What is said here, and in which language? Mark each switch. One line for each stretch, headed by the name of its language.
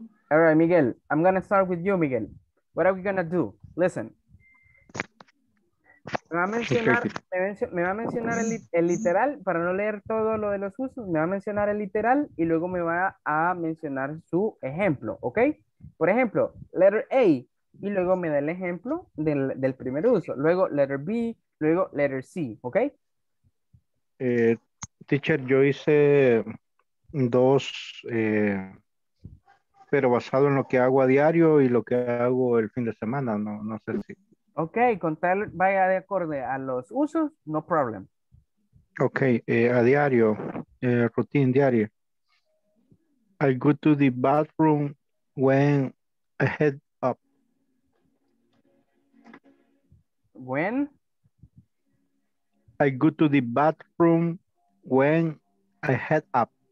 English: All right, Miguel, I'm going to start with you, Miguel. What are we going to do? Listen.
Spanish: Me va a mencionar el literal para no leer todo lo de los usos. Me va a mencionar el literal y luego me va a mencionar su ejemplo, ¿ok? Por ejemplo,
English: letter A
Spanish: y luego me da el ejemplo del primer uso. Luego
English: letter B,
Spanish: luego
English: letter C,
Spanish: ¿ok? Teacher, yo hice dos, pero basado en lo que hago a diario y lo que hago el fin de semana, no sé si... Ok, con tal vaya de acorde a los usos,
English: no problem.
Spanish: Ok, a diario, routine diario.
English: I go to the bathroom when I head up. When? I go to the bathroom when I head up.